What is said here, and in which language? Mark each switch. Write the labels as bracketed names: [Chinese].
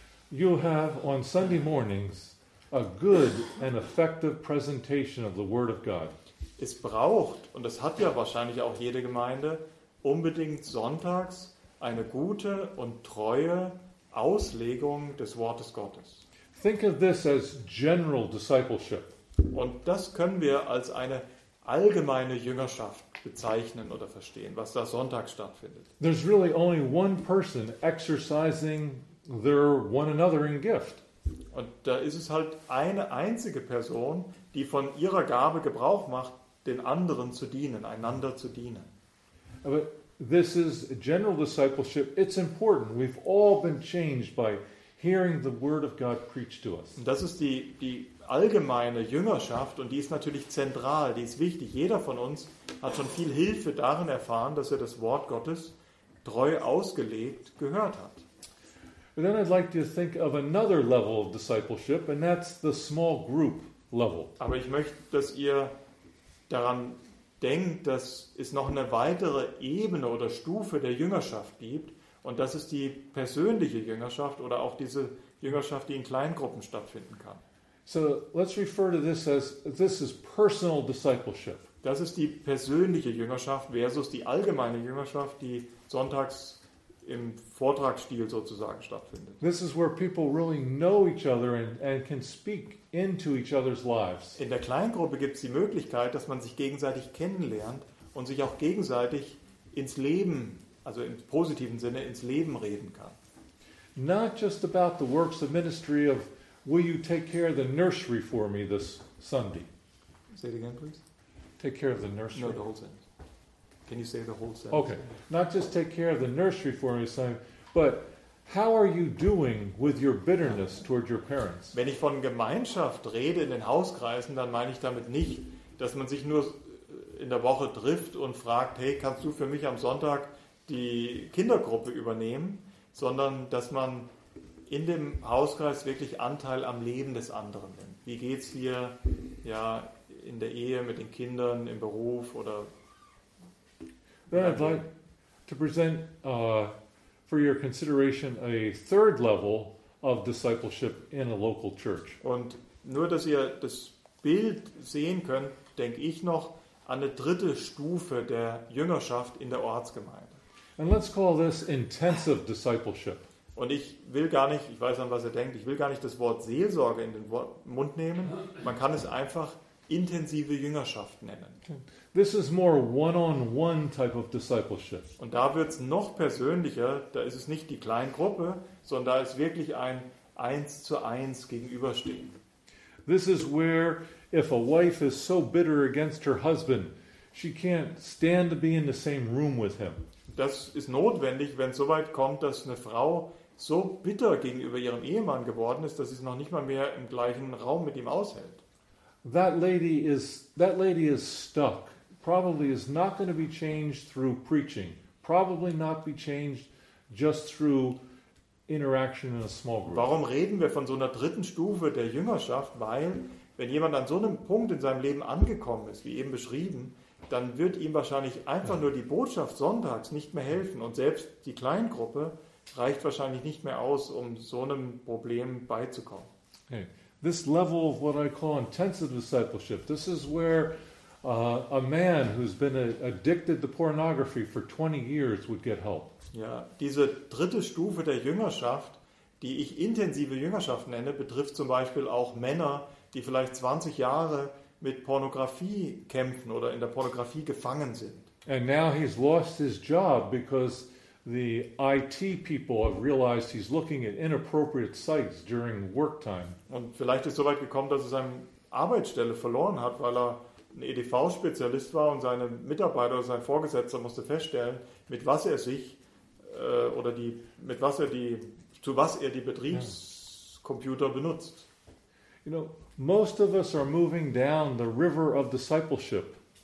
[English] You have on Sunday mornings a good and effective presentation of the Word of God. [German] Es braucht, und das hat ja wahrscheinlich auch jede Gemeinde, unbedingt sonntags eine gute und treue Auslegung des Wortes Gottes. [English] Think of this as general discipleship. [German] Und das können wir als eine allgemeine Jüngerschaft bezeichnen oder verstehen, was da sonntags stattfindet. [English] There's really only one person exercising their one anothering gift. [German] Und da ist es halt eine einzige Person, die von ihrer Gabe Gebrauch macht, den anderen zu dienen, einander zu dienen. [English] But this is general discipleship. It's important. We've all been changed by hearing the word of God preached to us. [German] Das ist die allgemeine Jüngerschaft und die ist natürlich zentral, die ist wichtig. Jeder von uns hat schon viel Hilfe darin erfahren, dass er das Wort Gottes treu ausgelegt gehört hat. [English] But then I'd like to think of another level of discipleship, and that's the small group level. [German] Aber ich möchte, dass ihr daran denkt, dass es noch eine weitere Ebene oder Stufe der Jüngerschaft gibt, und das ist die persönliche Jüngerschaft oder auch diese Jüngerschaft, die in Kleingruppen stattfinden kann. [English] So, let's refer to this as this is personal discipleship. [German] Das ist die persönliche Jüngerschaft versus die allgemeine Jüngerschaft, die sonntags im Vortragsstil sozusagen stattfindet. [English] This is where people really know each other and can speak into each other's lives. [German] In der Kleingruppe gibt es die Möglichkeit, dass man sich gegenseitig kennenlernt und sich auch gegenseitig ins Leben, also im positiven Sinne, ins Leben reden kann. [English] Not just about the works of ministry of will you take care of the nursery for me this Sunday? Say it again, please. Take care of the nursery. No, the whole sentence. Can you say the whole sentence? Okay. Not just take care of the nursery for me, Sam, but how are you doing with your bitterness toward your parents? [German] Wenn ich von Gemeinschaft rede in den Hauskreisen, dann meine ich damit nicht, dass man sich nur in der Woche trifft und fragt, hey, kannst du für mich am Sonntag die Kindergruppe übernehmen, sondern dass man in dem Hauskreis wirklich Anteil am Leben des anderen nimmt. Wie geht's hier, ja, in der Ehe mit den Kindern, im Beruf oder? [English] Then I'd like to present for your consideration a third level of discipleship in a local church. [German] Und nur, dass ihr das Bild sehen könnt, denke ich noch an eine dritte Stufe der Jüngerschaft in der Ortsgemeinde. [English] And let's call this intensive discipleship. [German] Und ich will gar nicht, ich weiß an was ihr denkt, ich will gar nicht das Wort Seelsorge in den Mund nehmen. Man kann es einfach intensive Jüngerschaft nennen. [English] This is more one-on-one type of discipleship. [German] Und da wird es noch persönlicher, da ist es nicht die Kleingruppe, sondern da ist wirklich ein 1:1 Gegenüberstehen. [English] This is where if a wife is so bitter against her husband, she can't stand to be in the same room with him. [German] Das ist notwendig, wenn es so weit kommt, dass eine Frau so bitter gegenüber ihrem Ehemann geworden ist, dass sie es noch nicht mal mehr im gleichen Raum mit ihm aushält. [English] That lady is stuck. Probably is not going to be changed through preaching. Probably not be changed just through interaction in a small group. [German] Warum reden wir von so einer dritten Stufe der Jüngerschaft? Weil wenn jemand an so einem Punkt in seinem Leben angekommen ist, wie eben beschrieben, dann wird ihm wahrscheinlich einfach nur die Botschaft sonntags nicht mehr helfen und selbst die Kleingruppe reicht wahrscheinlich nicht mehr aus, um so einem Problem beizukommen. [English] Okay. This level of what I call intensive discipleship, this is where A man who's been addicted to pornography for 20 years would get help. [German] Ja, diese dritte Stufe der Jüngerschaft, die ich intensive Jüngerschaft nenne, betrifft zum Beispiel auch Männer, die vielleicht 20 Jahre mit Pornografie kämpfen oder in der Pornografie gefangen sind. And now he's lost his job because the IT people have realized he's looking at inappropriate sites during work time. Und vielleicht ist so weit gekommen, dass er seine Arbeitsstelle verloren hat, weil er ein EDV-Spezialist war und seine Mitarbeiter oder sein Vorgesetzter musste feststellen, mit was er sich oder die mit was er die zu was er die Betriebscomputer benutzt. [English] You know, most of us are moving down the river of discipleship.